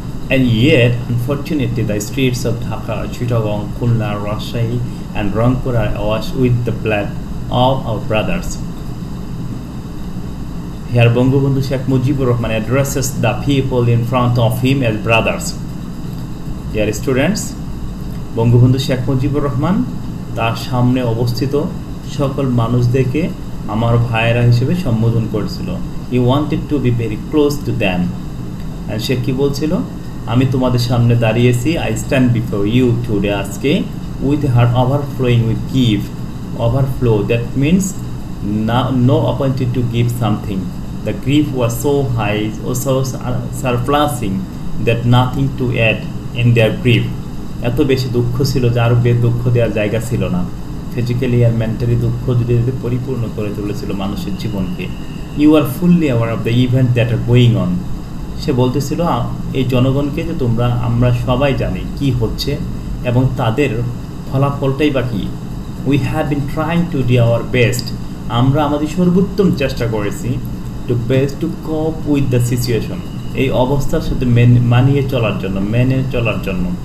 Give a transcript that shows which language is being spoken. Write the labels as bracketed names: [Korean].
[English] And yet, unfortunately, the streets of Dhaka, Chittagong, Khulna, Rajshahi, and Rangpur are awash with the blood of our brothers. Here, Bangabandhu Sheikh Mujibur Rahman addresses the people in front of him as brothers. Dear students, [Bangla] Bangabandhu Sheikh Mujibur Rahman, তার সামনে অবস্থিত সকল মানুষদেরকে আমার ভাইয়েরা হিসেবে সম্বোধন করেছিল. [English] He wanted to be very close to them. And [Bangla] সে কি বলছিল? আমি তোমাদের সামনে দাঁড়িয়েছি. [English] I stand before you today [Bangla] আজকে [English] with a heart overflowing with give. Overflow, that means no opportunity to give something. The grief was so high, so surplusing that nothing to add in their grief. [Bangla] এত বেশি দুঃখ ছিল যে আরো বেশি দুঃখ দেওয়ার জায়গা ছিল না. ফিজিক্যালি আর মেন্টালি দুঃখ ধীরে ধীরে পরিপূর্ণ করে তুলেছিল মানুষের জীবনকে। [English] You are fully aware of the event that are going on. [Bangla] সে বলতেছিল এই জনগণকে যে তোমরা, আমরা সবাই জানি কী হচ্ছে এবং তাদের ফলাফলটাই বা কী। [English] we have been trying to do our best, [Bangla] আমরা আমাদের সর্বোত্তম চেষ্টা করেছি [English] to best to cope with the situation, [Bangla] এই অবস্থার সাথে মানিয়ে চলার জন্য, মেনে চলার জন্য।